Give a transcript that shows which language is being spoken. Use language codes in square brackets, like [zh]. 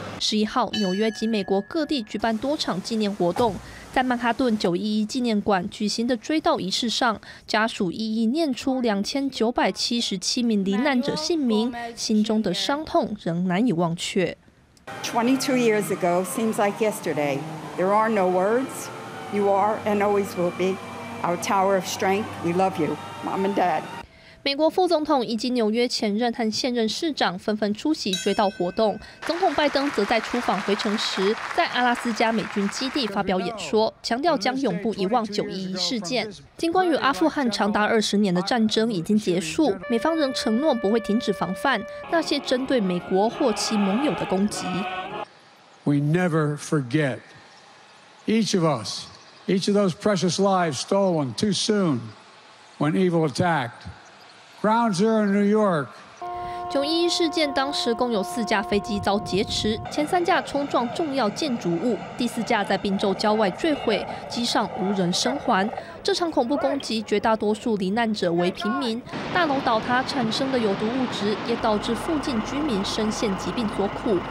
[zh] 11号，纽约及美国各地举办多场纪念活动，在曼哈顿911纪念馆举行的追悼仪式上，家属一一念出2977名罹难者姓名，心中的伤痛仍难以忘却。 [en] 22 years ago seems like yesterday. There are no words. You are and always will be our tower of strength. We love you, Mom and Dad. [zh] 美国副总统以及纽约前任和现任市长纷纷出席追悼活动。总统拜登则在出访回程时，在阿拉斯加美军基地发表演说，强调将永不遗忘911事件。尽管与阿富汗长达20年的战争已经结束，美方仍承诺不会停止防范那些针对美国或其盟友的攻击。 [en] We never forget each of us, each of those precious lives stolen too soon when evil attacked. Ground Zero, New York. [zh] 911事件当时共有4架飞机遭劫持，前3架冲撞重要建筑物，第4架在宾州郊外坠毁，机上无人生还。这场恐怖攻击，绝大多数罹难者为平民。大楼倒塌产生的有毒物质，也导致附近居民深陷疾病所苦。